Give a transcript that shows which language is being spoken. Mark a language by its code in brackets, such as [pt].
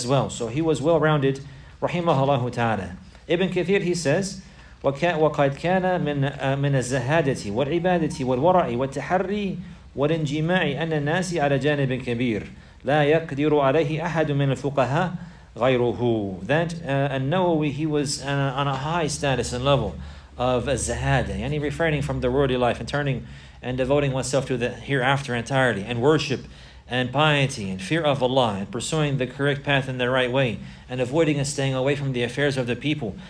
[en] So he was well-rounded, rahimahullah ta'ala. Ibn Kathir, he says, [ar] وَقَدْ كَانَ مِنَ الزَّهَادَةِ وَالْعِبَادَةِ وَالْوَرَعِ وَالْتَحَرِّي وَالْإِنْجِمَاعِ أَنَّ النَّاسِ عَلَى جَانِبٍ كَبِيرٍ لَا يَقْدِرُ عَلَيْهِ أَحَدٌ مِنَ الْفُقَهَا غَيْرُهُ. [en] That al-Nawawi, he was on a high status and level of al-Zahada, yani refraining from the worldly life and turning and devoting oneself to the hereafter entirely, and worship and piety and fear of Allah, and pursuing the correct path in the right way, and avoiding and staying away from the affairs of the people.